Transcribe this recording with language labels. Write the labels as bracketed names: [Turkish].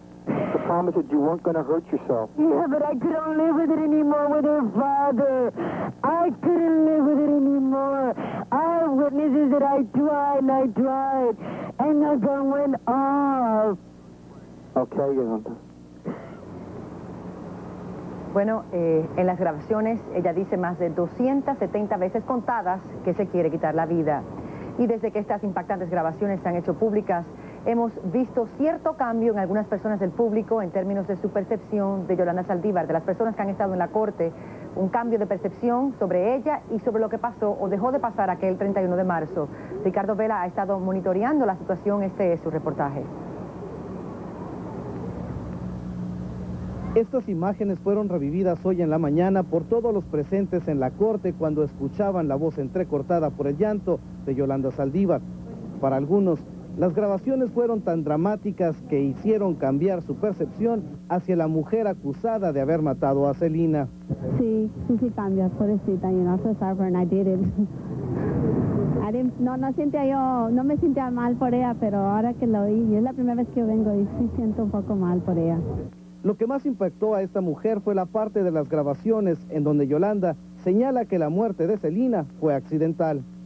[English] The promise that you weren't going to hurt yourself. Yeah, but I couldn't live with it anymore with her father. I couldn't live with it anymore. I have witnesses that I tried and I tried, and the gun went off. Okay, Yolanda. [Spanish] Bueno, en las grabaciones ella dice más de 270 veces contadas que se quiere quitar la vida. Y desde que estas impactantes grabaciones se han hecho públicas, hemos visto cierto cambio en algunas personas del público en términos de su percepción de Yolanda Saldívar, de las personas que han estado en la corte, un cambio de percepción sobre ella y sobre lo que pasó o dejó de pasar aquel 31 de marzo. Ricardo Vela ha estado monitoreando la situación, este es su reportaje. Estas imágenes fueron revividas hoy en la mañana por todos los presentes en la corte cuando escuchaban la voz entrecortada por el llanto de Yolanda Saldívar. Para algunos, las grabaciones fueron tan dramáticas que hicieron cambiar su percepción hacia la mujer acusada de haber matado a Selena. Sí, sí, sí cambia, pobrecita, [English] you know, I'm so sorry for and I did it. [Spanish] No me sentía mal por ella, pero ahora que lo oí, y es la primera vez que vengo y sí siento un poco mal por ella. Lo que más impactó a esta mujer fue la parte de las grabaciones en donde Yolanda señala que la muerte de Selena fue accidental.